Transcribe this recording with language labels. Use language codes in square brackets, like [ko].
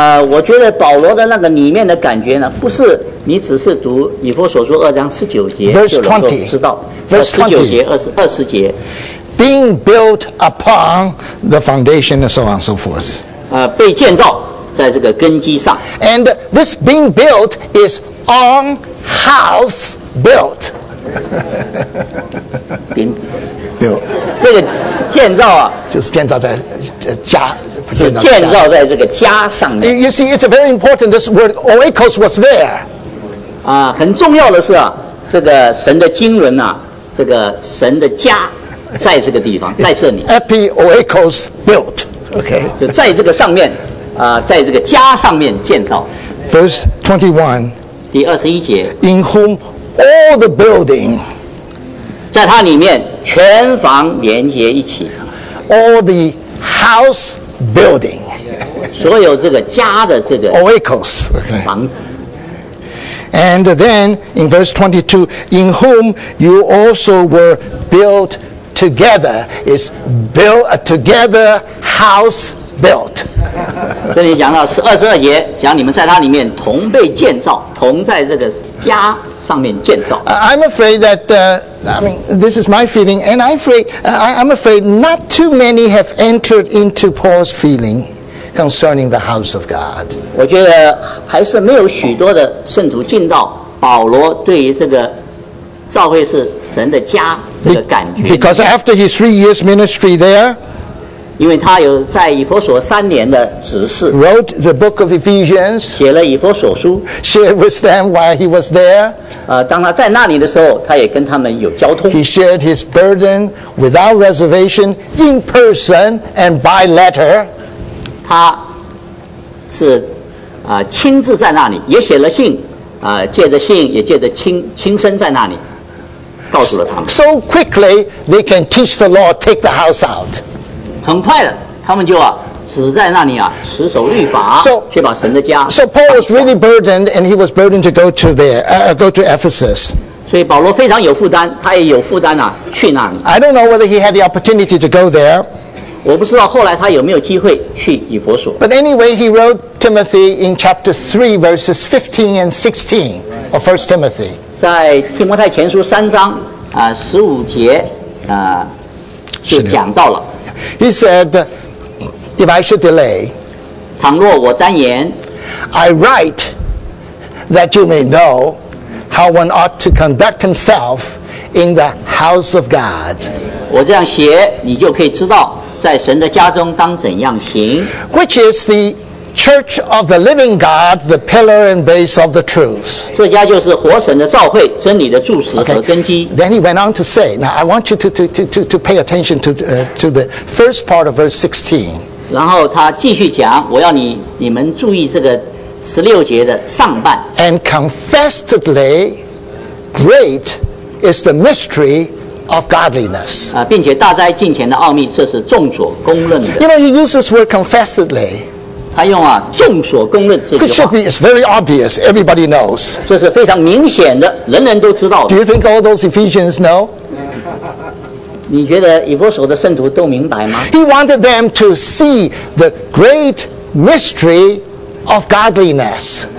[zh] 我觉得保罗的那个里面的感觉呢，不是你只是读以弗所书二章十九节就能够知道。 [en] verse 20. [zh] 十九节二十节。 [en] Being built upon the foundation, and so on and so forth. [zh] 被建造在这个根基上。 [en] And this being built is on house built. Being built. [zh] 这个建造啊，就是建造在家，是建造在这个家上面。 [en] You see, it's very important. This word oikos was there. [zh] 很重要的是啊，这个神的经纶啊，这个神的家。在这个地方，在这里。 [en] Epi oikos built, okay. [zh] 就在这个上面，在这个家上面建造。 [en] Verse 21. [zh] 第二十一节。 [en] In whom all the building, [zh] 在它里面全房连接一起。 [en] All the house building, [zh] 所有这个家的这个 [el] oikos [zh] 房子。 [en] And then in verse 22, in whom you also were built. Together is built together house built. [zh] 这里讲到二十二节，讲你们在它里面同被建造，同在这个家上面建造。 [en] I'm afraid that this is my feeling, and I'm afraid not too many have entered into Paul's feeling concerning the house of God. [zh] 我觉得还是没有许多的圣徒进到保罗对于这个。教会是神的家，这个感觉。 [en] Because after his 3 years ministry there, [zh] 因为他有在以弗所三年的执事 [en] ，wrote the book of Ephesians, [zh] 写了以弗所书 [en] ，shared with them while he was there. [zh] 当他在那里的时候，他也跟他们有交通。 [en] He shared his burden without reservation in person and by letter. [zh] 他是亲自在那里，也写了信。借着信也借着亲身在那里告诉了他们。 [en] So quickly they can teach the law, take the house out. [zh] 很快的，他们就只在那里持守律法，去把神的家。 [en] So Paul was really burdened, and he was burdened to go to Ephesus. [zh] 所以保罗非常有负担，他也有负担去那里。 [en] I don't know whether he had the opportunity to go there. [zh] 我不知道后来他有没有机会去以弗所。 [en] But anyway, he wrote. Timothy in chapter 3 verses 15 and 16 of 1 Timothy. [zh] 在提摩太前书三章十五节就讲到了。 [en] He said, if I should delay, [zh] 倘若我单言, [en] I write that you may know how one ought to conduct himself in the house of God. [zh] 我这样写你就可以知道在神的家中当怎样行。 [en] Which is the Church of the Living God, the pillar and base of the truth. [zh] 这家就是活神的召会，真理的柱石和根基。 [en] Then he went on to say, "Now I want you to pay attention to the first part of verse 16." [zh] 然后他继续讲，我要你们注意这个十六节的上半。 [en] And confessedly, great is the mystery. Of godliness. [zh] 并且大灾近前的奥秘，这是众所公认的。 [en] You know, he used this word confessedly. [zh] 他用众所公认这句话。 [en] Which should be is very obvious. Everybody knows. [zh] 这是非常明显的，人人都知道的。 [en] Do you think all those Ephesians know? [zh] 你觉得以弗所的圣徒都明白吗？ [en] He wanted them to see the great mystery of godliness.